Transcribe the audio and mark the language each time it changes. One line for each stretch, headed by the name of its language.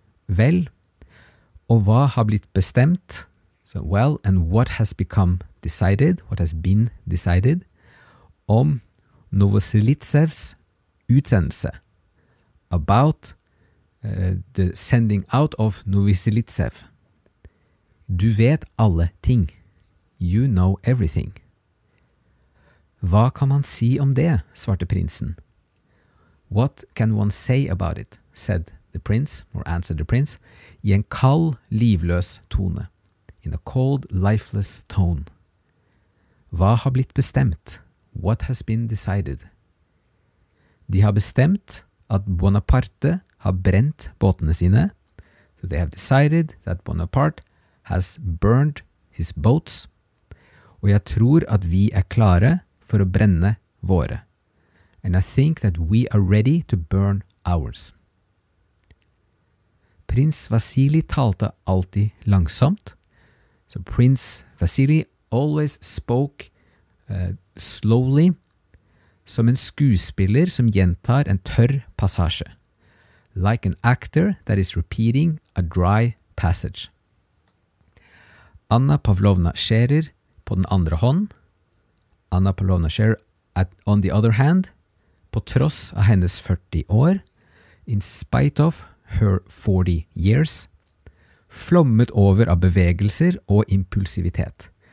Norwegian: Vel, og hva har blitt bestemt?
English: So well, and what has become decided, what has been decided,
Norwegian: om Novoselitsevs utsendelse,
English: about the sending out of Novoselitsev.
Norwegian: Du vet alle ting.
English: You know everything.
Norwegian: Hva kan man si om det, svarte prinsen.
English: What can one say about it, said the prince, or answered the prince,
Norwegian: I en kald, livløs tone,
English: in a cold, lifeless tone.
Norwegian: Hva har blitt bestemt?
English: What has been decided?
Norwegian: De har bestemt at Bonaparte har brent båtene sine.
English: So they have decided that Bonaparte has burned his boats.
Norwegian: Og jeg tror at vi klare for å brenne våre.
English: And I think that we are ready to burn ours.
Norwegian: Prins Vasili talte alltid langsomt.
English: So Prince Vasili always spoke slowly.
Norwegian: som en skuespiller som gjentar en tørr passasje.
English: Like an actor that is repeating a dry passage.
Norwegian: Anna Pavlovna Scherer på den andre hånd.
English: Anna Pavlovna Scherer on the other hand,
Norwegian: på tross av hennes 40 år,
English: in spite of her 40 years,
Norwegian: flommet over av bevegelser og impulsivitet.